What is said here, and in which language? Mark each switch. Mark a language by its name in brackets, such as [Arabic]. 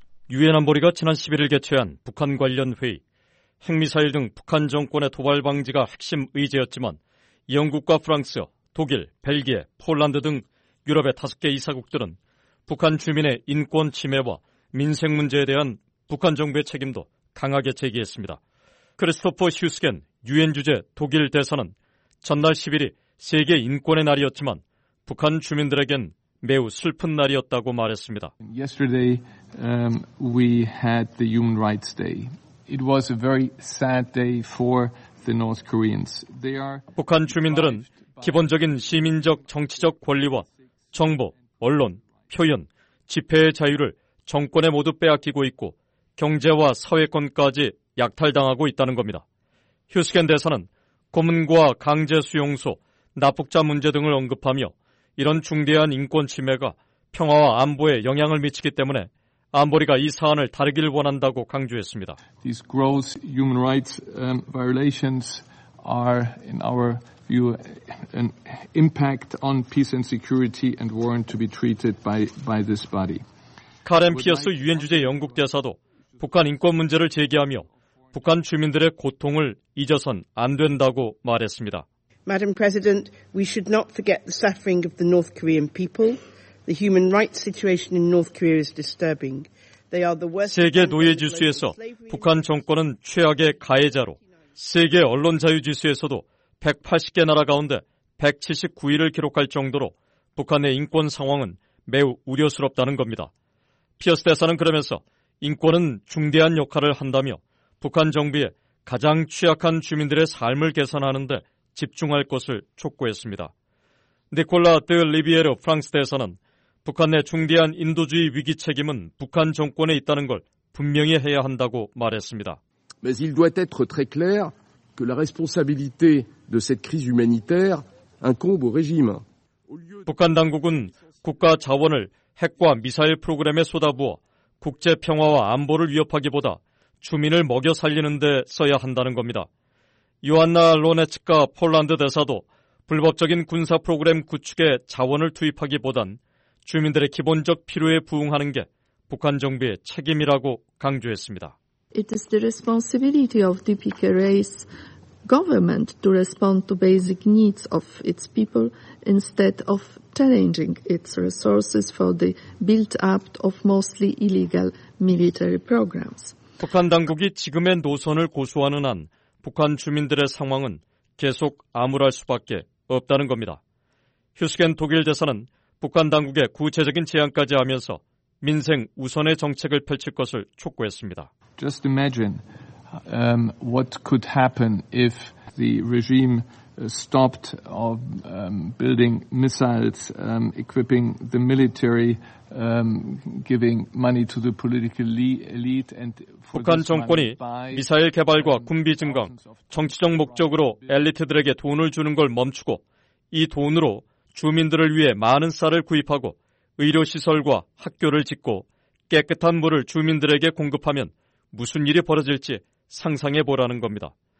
[Korean] 유엔 안보리가 지난 11일 개최한 북한 관련 회의, 핵미사일 등 북한 정권의 도발 방지가 핵심 의제였지만 영국과 프랑스, 독일, 벨기에, 폴란드 등 유럽의 5개 이사국들은 북한 주민의 인권 침해와 민생 문제에 대한 북한 정부의 책임도 강하게 제기했습니다. 크리스토퍼 휴스겐 유엔 주재 독일 대사는 전날 10일이 세계 인권의 날이었지만 북한 주민들에겐 매우 슬픈 날이었다고 말했습니다. [English] Yesterday we had the Human Rights Day. It was a very sad day for the North Koreans. They are [Korean] 북한 주민들은 기본적인 시민적 정치적 권리와 정보, 언론, 표현, 집회의 자유를 정권에 모두 빼앗기고 있고 경제와 사회권까지 약탈당하고 있다는 겁니다. 휴스겐 대사는 고문과 강제 수용소, 납북자 문제 등을 언급하며 이런 중대한 인권 침해가 평화와 안보에 영향을 미치기 때문에 안보리가 이 사안을 다루길 원한다고 강조했습니다. [English] These gross human rights violations are in our view an impact on peace and security and warrant to be treated by this body. [Korean] 카렌 피어스 유엔 주재 영국 대사도 북한 인권 문제를 제기하며 북한 주민들의 고통을 잊어선 안 된다고 말했습니다. [English] Madam President, we should not forget the suffering of the North Korean people. The human rights situation in North Korea is disturbing. They are the worst. [Korean] 세계 노예 지수에서 북한 정권은 최악의 가해자로 세계 언론 자유 지수에서도 180개 나라 가운데 179위를 기록할 정도로 북한의 인권 상황은 매우 우려스럽다는 겁니다. 피어스 대사는 그러면서 인권은 중대한 역할을 한다며 북한 정부에 가장 취약한 주민들의 삶을 개선하는 데 집중할 것을 촉구했습니다. 니콜라 드 리비에르 프랑스 대사는 북한 내 중대한 인도주의 위기 책임은 북한 정권에 있다는 걸 분명히 해야 한다고 말했습니다. [French] Mais il doit être très clair que la responsabilité de cette crise humanitaire incombe au régime. [Korean] 북한 당국은 국가 자원을 핵과 미사일 프로그램에 쏟아부어 국제 평화와 안보를 위협하기보다 주민을 먹여 살리는 데 써야 한다는 겁니다. 요한나 로네츠카 폴란드 대사도 불법적인 군사 프로그램 구축에 자원을 투입하기보단 주민들의 기본적 필요에 부응하는 게 북한 정부의 책임이라고 강조했습니다. [English] It is the responsibility of the PKK's government to respond to basic needs of its people instead of challenging its resources for the built-up of mostly illegal military programs. [Korean] 북한 당국이 지금의 노선을 고수하는 한 북한 주민들의 상황은 계속 암울할 수밖에 없다는 겁니다. 휴스겐 독일 대사는 북한 당국의 구체적인 제안까지 하면서 민생 우선의 정책을 펼칠 것을 촉구했습니다. [English] Just imagine what could happen if the regime stopped of building missiles, equipping the military, giving money to the political elite and for [Korean] 북한 정권이 미사일 개발과 군비 증강, 정치적 목적으로 엘리트들에게 돈을 주는 걸 멈추고 이 돈으로 주민들을 위해 많은 쌀을 구입하고 의료시설과 학교를 짓고 깨끗한 물을 주민들에게 공급하면 무슨 일이 벌어질지 상상해 보라는 겁니다.